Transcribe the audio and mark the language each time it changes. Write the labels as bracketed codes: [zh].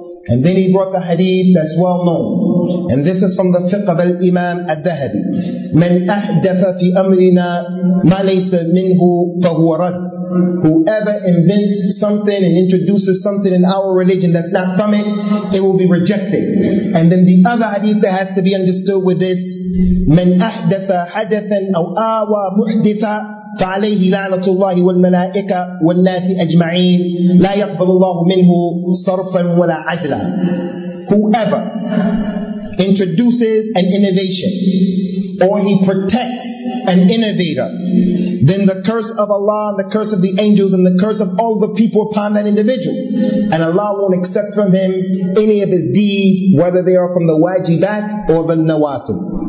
[en] And then he brought the hadith that's well known, and this is from the fiqh of al-Imam al-Dhahabi: [ar] من أحدث في أمرنا ما ليس منه فهو رد. [en] Whoever invents something and introduces something in our religion that's not from it, it will be rejected. And then the other hadith that has to be understood with this: [ar] من أحدث حدثا أو آوى محدثا فعليه لعنة الله والملائكة والناس أجمعين لا يقبل الله منه صرفا ولا عدلا. [en] Whoever introduces an innovation, or he protects an innovator, then the curse of Allah, the curse of the angels, and the curse of all the people upon that individual. And Allah won't accept from him any of his deeds, whether they are from the wajibat or the nawafil.